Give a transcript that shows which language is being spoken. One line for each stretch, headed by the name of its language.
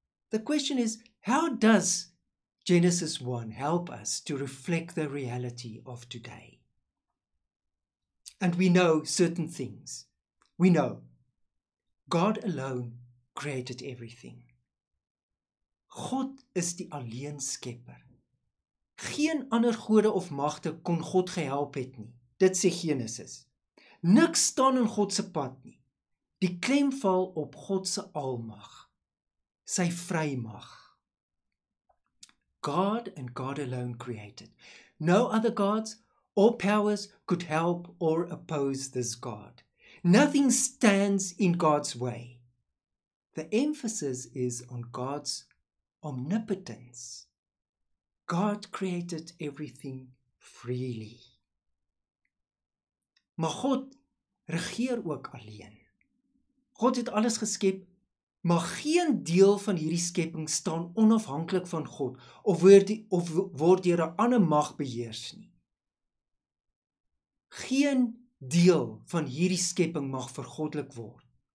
English: The question is, how does Genesis 1 help us to reflect the reality of today? And we know certain things. We know God alone created everything.
Afrikaans: God is die alleen skepper. Geen ander gode of magte kon God gehelp het nie. Dit sê Genesis. Niks staan in God se pad nie. Die klem val op God se almag. Sy vrymag.
English: God and God alone created. No other gods or powers could help or oppose this God. Nothing stands in God's way. The emphasis is on God's omnipotence. God created everything freely.
Afrikaans: Maar God regeer ook alleen. God het alles geskep. Maar geen deel van hierdie skepping staan onafhanklik van God of word deur 'n ander mag beheers nie. Geen deel van hierdie skepping mag vergoddelik word.